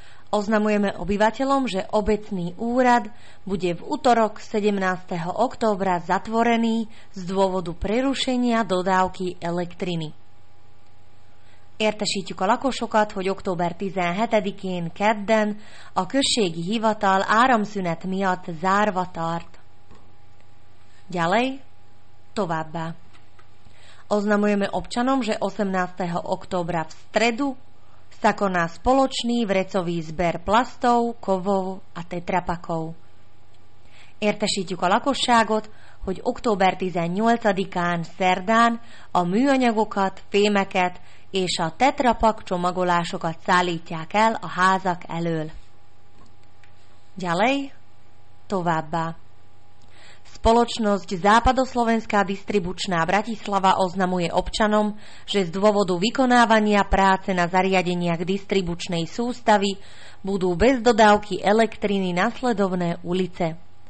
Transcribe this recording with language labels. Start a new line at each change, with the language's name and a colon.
Slovak: Oznamujeme obyvateľom, že obecný úrad bude v utorok 17. októbra zatvorený z dôvodu prerušenia dodávky elektriny.
Hungarian: Értesítjük a lakosokat, hogy október 17-én kedden a községi hivatal áramszünet miatt zárva tart.
Slovak: Ďalej, továbbá. Oznamujeme občanom, že 18. októbra v stredu sa koná spoločný vrecový zber plastov, kovov a tetrapakov.
Hungarian: Értesítjük a lakosságot, hogy október 18-án szerdán a műanyagokat, fémeket és a tetrapak csomagolásokat szállítják el a házak elől.
Slovak: Ďalej, továbbá. Spoločnosť Západoslovenská distribučná Bratislava oznamuje občanom, že z dôvodu vykonávania práce na zariadeniach distribučnej sústavy budú bez dodávky elektriny nasledovné ulice.